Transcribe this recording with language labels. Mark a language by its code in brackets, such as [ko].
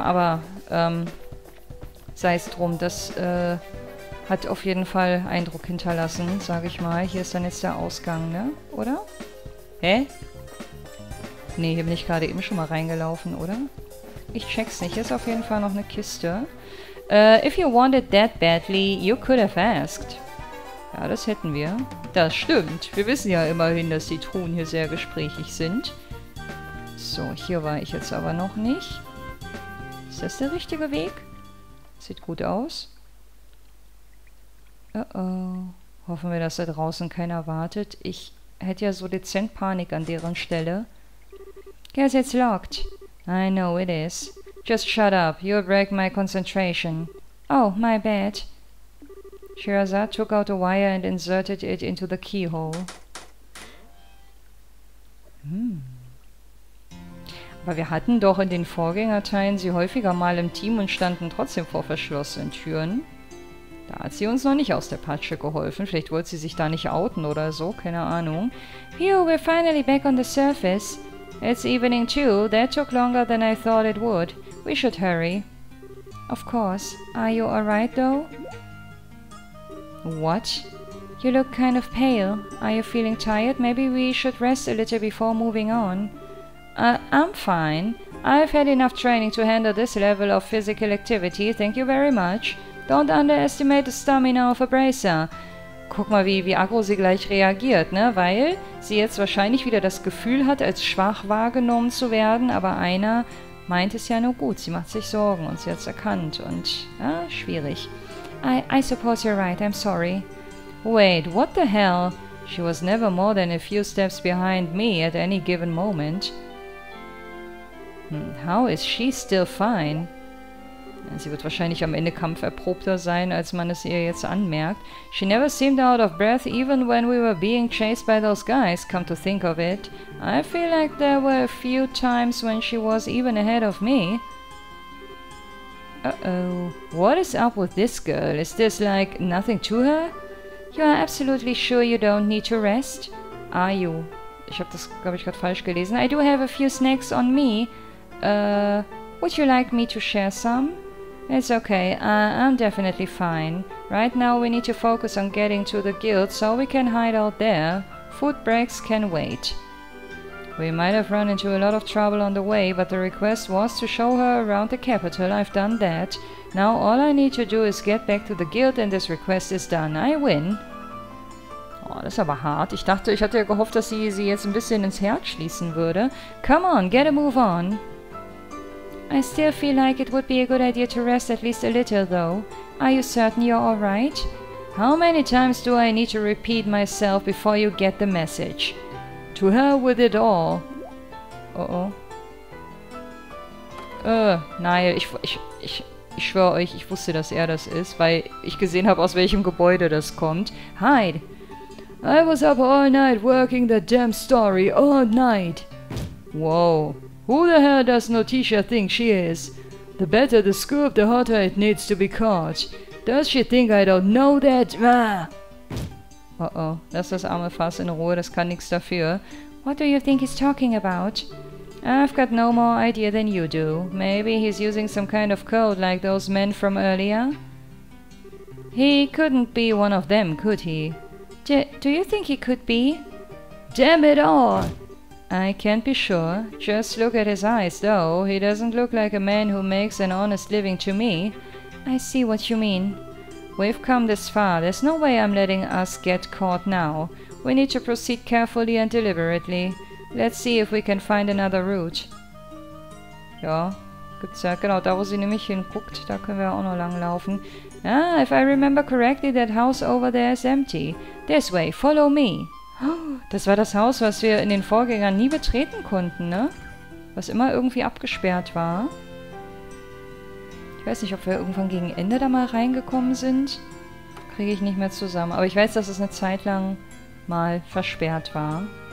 [de] Aber sei es drum, das hat auf jeden Fall Eindruck hinterlassen, sage ich mal. Hier ist dann jetzt der Ausgang, ne? Oder? Hä? Nee, hier bin ich gerade eben schon mal reingelaufen, oder? Ich check's nicht. Hier ist auf jeden Fall noch eine Kiste. [en] If you wanted that badly, you could have asked. [de] Ja, das hätten wir. Das stimmt. Wir wissen ja immerhin, dass die Truhen hier sehr gesprächig sind. So, hier war ich jetzt aber noch nicht. Ist das der richtige Weg? Sieht gut aus. Oh. Hoffen wir, dass da draußen keiner wartet. Ich hätte ja so dezent Panik an deren Stelle. [en] Guess it's locked. I know it is. Just shut up. You'll break my concentration. Oh, my bad. Shirazad took out a wire and inserted it into the keyhole. Hm. [de] Aber wir hatten doch in den Vorgängerteilen sie häufiger mal im Team und standen trotzdem vor verschlossenen Türen. Da hat sie uns noch nicht aus der Patsche geholfen. Vielleicht wollte sie sich da nicht outen oder so. Keine Ahnung. [en] Phew, we're finally back on the surface. It's evening too. That took longer than I thought it would. We should hurry. Of course. Are you alright though? What? You look kind of pale. Are you feeling tired? Maybe we should rest a little before moving on. I'm fine. I've had enough training to handle this level of physical activity. Thank you very much. Don't underestimate the stamina of a bracer. [de] Guck mal, wie aggro sie gleich reagiert, ne? Weil sie jetzt wahrscheinlich wieder das Gefühl hat, als schwach wahrgenommen zu werden. Aber einer meint es ja nur gut. Sie macht sich Sorgen und sie hat es erkannt. Und, ja, schwierig. [en] I suppose you're right. I'm sorry. Wait, what the hell? She was never more than a few steps behind me at any given moment. How is she still fine? [de] Sie wird wahrscheinlich am Ende kampferprobter sein, als man es ihr jetzt anmerkt. [en] She never seemed out of breath, even when we were being chased by those guys, come to think of it. I feel like there were a few times when she was even ahead of me. Uh-oh. What is up with this girl? Is this, like, nothing to her? You are absolutely sure you don't need to rest? Are you? [de] Ich habe das, glaube ich, gerade falsch gelesen. [en] I do have a few snacks on me. Would you like me to share some? It's okay, I'm definitely fine. Right now we need to focus on getting to the guild, so we can hide out there. Food breaks can wait. We might have run into a lot of trouble on the way, but the request was to show her around the capital. I've done that. Now all I need to do is get back to the guild and this request is done. I win. [de] Oh, das ist aber hart. Ich dachte, ich hatte ja gehofft, dass sie jetzt ein bisschen ins Herz schließen würde. [en] Come on, get a move on. I still feel like it would be a good idea to rest at least a little, though. Are you certain you're all right? How many times do I need to repeat myself before you get the message? To hell with it all. Oh oh. [de] Niall, ich schwöre euch, ich wusste, dass er das ist, weil ich gesehen habe, aus welchem Gebäude das kommt. [en] Hide. I was up all night working the damn story all night. Whoa. Who the hell does Notisha think she is? The better the scoop, the hotter it needs to be caught. Does she think I don't know that? Uh-oh. [de] Lass das arme Fass in Ruhe, das kann nichts dafür. [en] What do you think he's talking about? I've got no more idea than you do. Maybe he's using some kind of code like those men from earlier? He couldn't be one of them, could he? Do you think he could be? Damn it all! I can't be sure. Just look at his eyes, though. He doesn't look like a man who makes an honest living to me. I see what you mean. We've come this far. There's no way I'm letting us get caught now. We need to proceed carefully and deliberately. Let's see if we can find another route. [de] Ja, gibt's ja. Genau, da wo sie nämlich hinguckt, da können wir auch noch lang laufen. [en] Ah, if I remember correctly, that house over there is empty. This way, follow me. [de] Das war das Haus, was wir in den Vorgängern nie betreten konnten, ne? Was immer irgendwie abgesperrt war. Ich weiß nicht, ob wir irgendwann gegen Ende da mal reingekommen sind. Kriege ich nicht mehr zusammen. Aber ich weiß, dass es eine Zeit lang mal versperrt war.